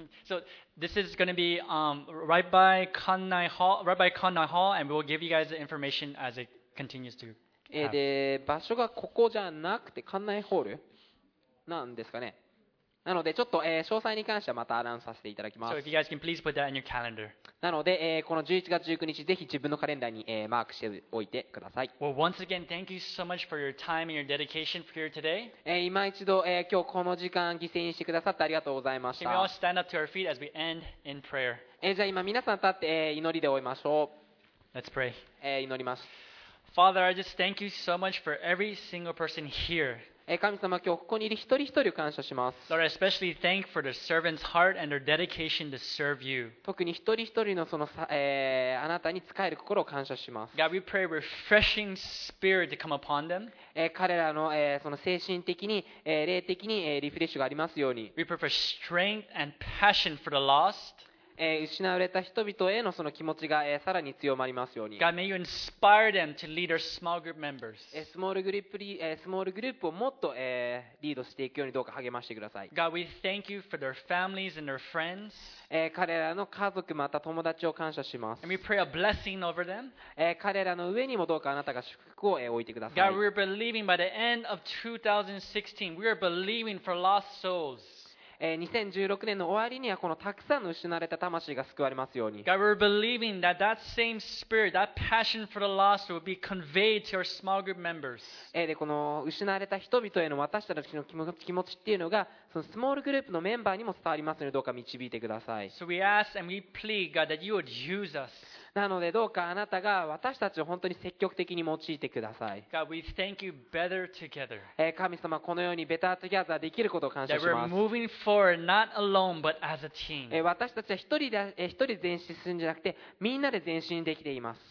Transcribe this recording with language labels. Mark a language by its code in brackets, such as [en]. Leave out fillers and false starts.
[en] So this is going to be right by Kannai Hall, right by Kannai Hall, and we will give you guys the information as it continues to. [ja] で場所がここじゃなくて館内ホールなんですかね。なのでちょっと、詳細に関してはまたアナウンスさせていただきます。 [en] So if you guys can please put that in your calendar. [ja] なので、この11月19日ぜひ自分のカレンダーに、マークしておいてください。 [en] Well, once again, thank you so much for your time and your dedication for here today. [ja] 今一度、今日この時間犠牲にしてくださってありがとうございました。 [en] Can we all stand up to our feet as we end in prayer? [ja] じゃあ今皆さん立って、祈りで終えましょう。 [en] Let's pray. [ja] 祈ります。 [en] Father, I just thank you so much for every single person here. [ja] 神様、今日ここにいる一人一人を感謝します。 [en] Lord, I especially thank for the servant's heart and their dedication to serve you. [ja] 特に一人一人のその、あなたに仕える心を感謝します。 [en] God, we pray refreshing spirit to come upon them. [ja] 彼らの、その精神的に、霊的に、リフレッシュがありますように。 [en] We pray for strength and passion for the lost. [ja] 失われた人々へのその気持ちが、さらに強まりますように。 [en] God, may you inspire them to lead our small group members. [ja] スモールグループをもっと、リードしていくようにどうか励ましてください。 [en] God, we thank you for their families and their friends. [ja] 彼らの家族また友達を感謝します。 [en] And we pray a blessing over them. [ja] 彼らの上にもどうかあなたが祝福を、置いてください。 [en] God, we are believing by the end of 2016, we are believing for lost souls. [ja] 2016年の終わりにはこのたくさんの失われた魂が救われますように。 [en] God, we're believing that that same spirit, that passion for the lost will be conveyed to our small group members. [ja] で、この失われた人々への私たちの気持ちっていうのが、そのスモールグループのメンバーにも伝わりますので、どうか導いてください。 [en] So we ask and we plead, God, that you would use us. [ja] なので、どうかあなたが私たちを本当に積極的に用いてください。 [en] God, we thank you better together. [ja] 神様、このようにベタートギャザーできることを感謝します。 [en] For not alone, but as a team. [ja] 私たちは一人で前進するんじゃなくて、みんなで前進できています。